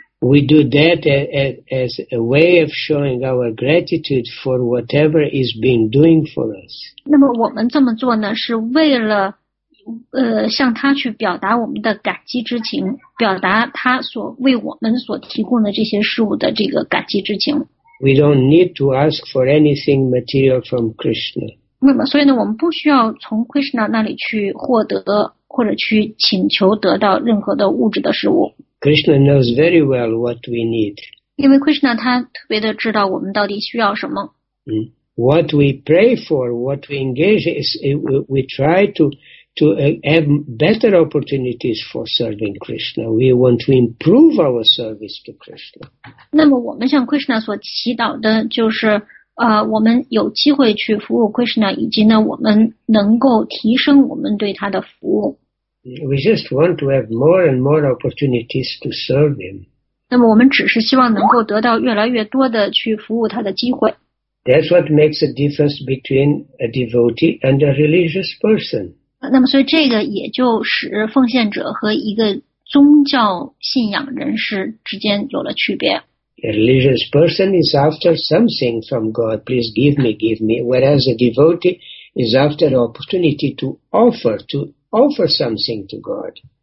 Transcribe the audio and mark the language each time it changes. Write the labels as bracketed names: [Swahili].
[English] We do that as a way of showing our gratitude for whatever is being doing for us. [Chinese] 那么我们这么做呢，是为了向他去表达我们的感激之情，表达他所为我们所提供的这些事物的这个感激之情。 [English] We don't need to ask for anything material from Krishna. [Chinese] 那么，所以呢，我们不需要从 Krishna 那里去获得或者去请求得到任何的物质的事物。 [English] Krishna knows very well what we need. [Chinese] 因为 Krishna 他特别的知道我们到底需要什么。 [English] What we pray for, what we engage is, we try to have better opportunities for serving Krishna. We want to improve our service to Krishna. [Chinese] 那么，我们向 Krishna 所祈祷的就是。我们有机会去服务 Krishna， 以及呢，我们能够提升我们对他的服务。 [English] We just want to have more and more opportunities to serve him. [Chinese] 那么我们只是希望能够得到越来越多的去服务他的机会。 [English] That's what makes a difference between a devotee and a religious person. [Chinese] 那么所以这个也就使奉献者和一个宗教信仰人士之间有了区别。 [English] A religious person is after something from God, please give me. Whereas a devotee is after an opportunity to offer something to God.